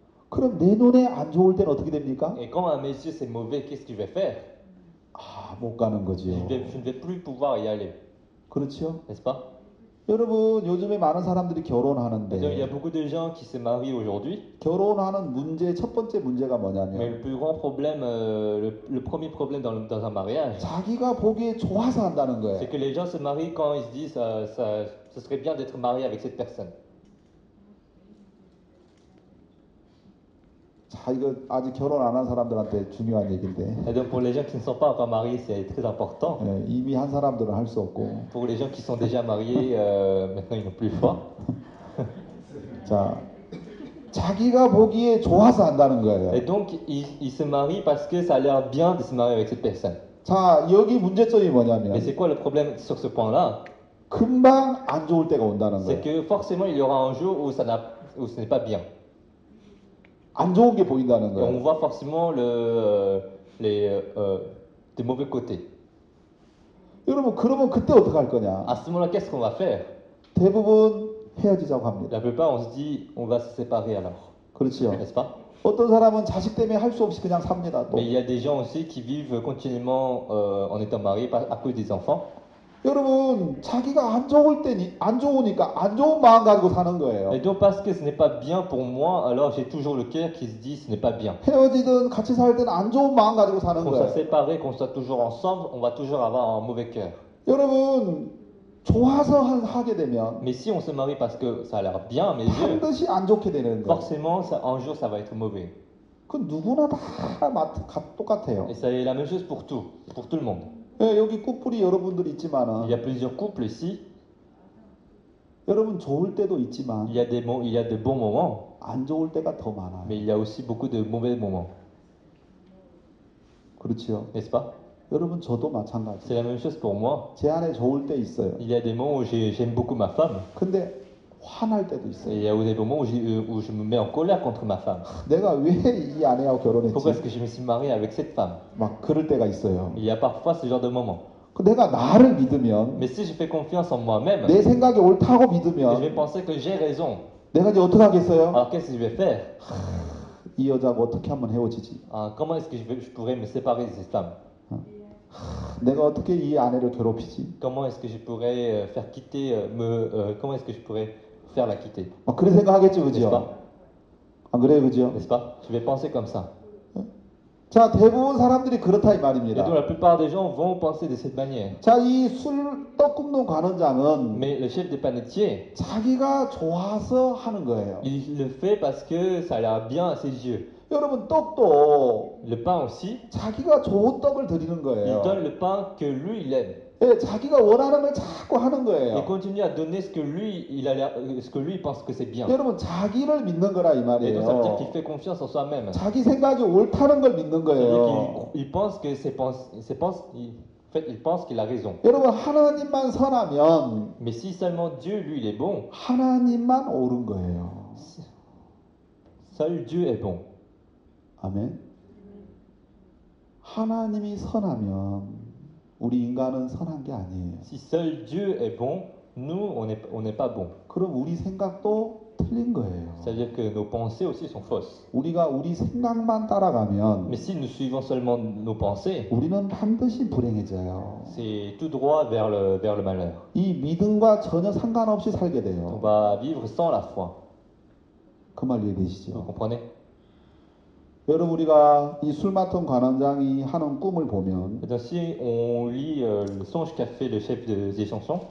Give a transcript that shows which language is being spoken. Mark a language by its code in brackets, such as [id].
[ko] 그럼 내 눈에 안 좋을 때는 어떻게 됩니까? [fr] Et quand à mes yeux c'est mauvais, qu'est-ce que je vais faire? [ko] 아, 못 가는 거지요. [fr] Je ne vais plus pouvoir y aller. [ko] 그렇죠? [fr] N'est-ce pas? [ko] 여러분, 요즘에 많은 사람들이 결혼하는데. [fr] Donc, il y a beaucoup de gens qui se marient aujourd'hui. [ko] 결혼하는 문제 첫 번째 문제가 뭐냐면. [fr] Mais le plus grand problème, le premier problème dans un mariage. [ko] 자기가 보기에 좋아서 한다는 거예요. [fr] C'est que les gens se marient quand ils se disent ça serait bien d'être marié avec cette personne. [ko] 자, 이거 아직 결혼 안 한 사람들한테 중요한 얘긴데. [fr] Et donc pour les gens qui ne sont pas encore mariés, c'est très important. [ko] 예, 이미 한 사람들은 할 수 없고. [fr] Pour les gens qui sont déjà mariés, maintenant ils n'ont plus foi. [ko] 자, 자기가 보기에 좋아서 한다는 거예요. [fr] Et donc ils se marient parce que ça a l'air bien de se marier avec cette personne. [ko] 자, 여기 문제점이 뭐냐면. [fr] Mais c'est quoi le problème sur ce point-là? [ko] 금방 안 좋을 때가 온다는 거예요. [fr] C'est que forcément il y aura un jour où ce n'est pas bien. [ko] 안 좋은 게 보인다는 거예요. [fr] On voit forcément les mauvais côtés. [ko] 여러분, 그러면 그때 어떻게 할 거냐? [fr] À ce moment-là, qu'est-ce qu'on va faire? [ko] 대부분 헤어지자고 합니다. [fr] La plupart, on se dit, on va se séparer alors. [ko] 그렇지요. [fr] N'est-ce pas? [ko] 어떤 사람은 자식 때문에 할 수 없이 그냥 삽니다. 또. [fr] Mais il y a des gens aussi qui vivent continuellement en étant mariés à cause des enfants. [ko] 여러분, 자기가 안 좋을 때니 안 좋으니까 안 좋은 마음 가지고 사는 거예요. [fr] Et donc parce que ce n'est pas bien pour moi, alors j'ai toujours le cœur qui se dit ce n'est pas bien. [ko] 헤어지든 같이 살 때는 안 좋은 마음 가지고 사는 [fr] qu'on [ko] 거예요. [fr] Qu'on soit séparé, qu'on soit toujours ensemble, on va toujours avoir un mauvais cœur. [ko] 여러분, 좋아서 하게 되면 [fr] Mais si on se marie parce que ça a l'air bien, mais [ko] 반드시 안 좋게 되는 거예요. [fr] Forcément, un jour ça va être mauvais. [ko] 그 누구나 다 똑같아요. [fr] Et c'est la même chose pour tout le monde. [ko] 네, 여기 커플이 여러분들 있지만 [fr] Il y a plusieurs couples ici. [ko] 여러분 좋을 때도 있지만 [fr] il y a des bons moments. [ko] 안 좋을 때가 더 많아요. [fr] Mais il y a aussi beaucoup de mauvais moments. [ko] 그렇죠. [fr] N'est-ce pas? [ko] 여러분 저도 마찬가지. [fr] C'est la même chose pour moi. [ko] 제 안에 좋을 때 있어요. [fr] Il y a des moments où j'aime beaucoup ma femme. [ko] 근데 화날 때도 있어요. [fr] Il y a des moments où je me mets en colère contre ma femme. [ko] 내가 왜 이 아내하고 결혼했지? [fr] Pourquoi est-ce que je me suis marié avec cette femme? [ko] 막 그럴 때가 있어요. [fr] Il y a parfois ce genre de moment. [ko] 내가 나를 믿으면 [fr] Mais si je fais confiance en moi-même [ko] 내 생각이 옳다고 믿으면 [fr] Je vais penser que j'ai raison. [ko] 내가 이제 어떻게 하겠어요? [fr] Alors qu'est-ce que je vais faire? [ko] 이 여자하고 어떻게 한번 헤어지지? [fr] Comment est-ce que je pourrais me séparer de cette femme? [ko] 내가 어떻게 이 아내를 괴롭히지? [fr] Comment est-ce que je pourrais faire quitter me comment est-ce que je pourrais faire la quitter. [ko] 아, 그래 생각하겠죠, 그죠? 안 그래요, 그죠? [fr] N'est-ce pas? Je vais penser comme ça. [ko] 자, 대부분 사람들이 그렇다 이 말입니다. [fr] Et donc, la plupart des gens vont penser de cette manière. [ko] 자, 이 술 떡국농 관원장은 [fr] Mais le chef de panetier [ko] 자기가 좋아서 하는 거예요. [fr] Il le fait parce que ça a l'air bien à ses yeux. [ko] 여러분 떡도 [fr] le pain aussi [ko] 자기가 좋은 떡을 드리는 거예요. [fr] Il donne le pain que lui il aime. [ko] 예, 자기가 원하는 걸 자꾸 하는 거예요. [fr] Il continue à donner ce que lui il a ce que lui pense que c'est bien. [ko] 여러분 자기를 믿는 거라 이 말이에요. [fr] Et donc, ça veut dire qu'il fait confiance en soi-même. [ko] 자기 생각이 옳다는 걸 믿는 거예요. [fr] Il pense que c'est pense il fait il pense qu'il a raison. [ko] 여러분 하나님만 선하면 [fr] Mais si seulement Dieu lui il est bon. [ko] 하나님만 옳은 거예요. [fr] Seul Dieu est bon. [ko] 아멘. 하나님이 선하면 우리 인간은 선한 게 아니에요. [fr] Si seul Dieu est bon, nous on n'est pas bon. [ko] 그럼 우리 생각도 틀린 거예요. [fr] C'est-à-dire que nos pensées aussi sont fausses. [ko] 우리가 우리 생각만 따라가면 [fr] Mais si nous suivons seulement nos pensées, [ko] 우리는 반드시 불행해져요. [fr] C'est tout droit vers le malheur. [ko] 이 믿음과 전혀 상관없이 살게 돼요. [fr] On va vivre sans la foi. [ko] 그 말 이해되시죠? [fr] Vous comprenez? [ko] 여러분 우리가 이 술 맡은 관원장이 하는 꿈을 보면 [fr] si on lit le songe qu'a fait le chef des chansons